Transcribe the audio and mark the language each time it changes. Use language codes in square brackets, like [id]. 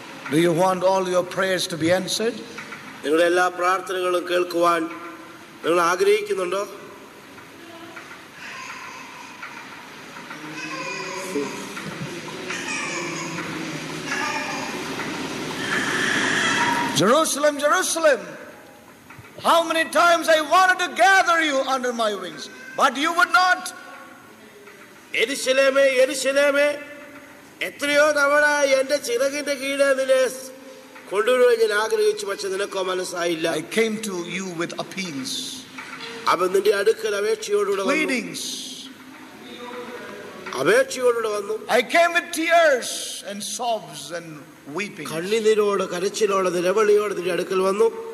[en] Do you want all your prayers to be answered? Jerusalem, Jerusalem, how many times I wanted to gather you under my wings, but you would not. [ml] Jerusalem, Jerusalem, എത്രയോ തവണ എന്റെ ചിറകിന്റെ കീഴിൽ നിന്നെ കൊണ്ടുവരുവാൻ ഞാൻ ആഗ്രഹിച്ചു, പക്ഷെ നിനക്കോ മനസ്സായില്ല. [en] I came to you with appeals. [ml] അവൻ നിന്റെ അടുക്കൽ അപേക്ഷയോടുകൂടെ വന്നു. [en] Pleadings. [ml] അപേക്ഷയോടുകൂടെ വന്നു. [en] I came with tears and sobs and weeping. [ml] കണ്ണീരോടെ കരച്ചിലോടെ നിലവിളിയോടെ നിന്റെ അടുക്കൽ വന്നു.